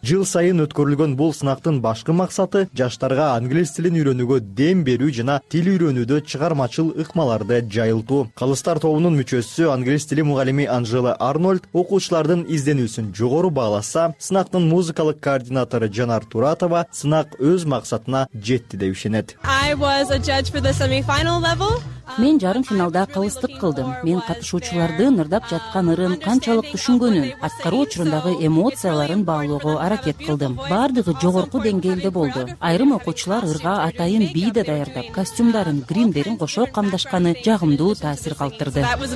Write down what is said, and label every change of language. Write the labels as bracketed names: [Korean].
[Kyrgyz] Жыл сайын өткөрүлгөн бул сынактын башкы максаты жаштарга англис тилин үйрөнүүгө дем берүү жана тил үйрөнүүдө чыгармачыл ыкмаларды жайылтуу. Калыстар тобунун мүчөсү англис тили мугалими Анжела Арнольд окуучулардын изденүүсүн жогору бааласа, сынактын музыкалык координатору Жанар Туратова сынак өз максатына жетти деп ишенет. [English] I was a judge for the semi-final level. [Kyrgyz] Мен жарым финалда кылыстык кылдым. Мен катышуучулардын ырдап жаткан ырын канчалык түшүнгөнүн, аткаруу учурундагы эмоцияларын баалоого аракет кылдым. Бардыгы жогорку деңгээлде болду. Айрым окуучулар ырга атайын бий да даярдап, костюмдарын, гримдерин кошо камдашканы жагымдуу таасир калтырды.